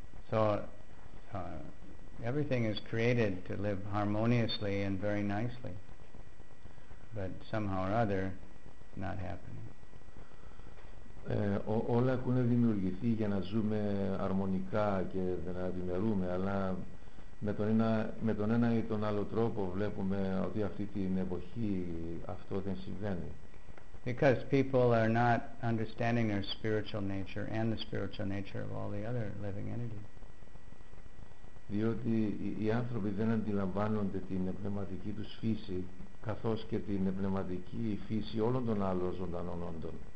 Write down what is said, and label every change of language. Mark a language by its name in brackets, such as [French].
[English] So, everything is created to live harmoniously and very nicely. But somehow or other, not happening. [Greek] Όλα έχουν δημιουργηθεί για να ζούμε αρμονικά και να διμερούμε, αλλά με τον ένα ή τον άλλο τρόπο βλέπουμε ότι αυτή την εποχή αυτό δεν συμβαίνει. [English] Because people are not understanding their spiritual nature and the spiritual nature of all the other living entities. [Greek] Διότι οι άνθρωποι δεν αντιλαμβάνονται την πνευματική τους φύση καθώς και την πνευματική φύση όλων των άλλων ζωντανών όντων.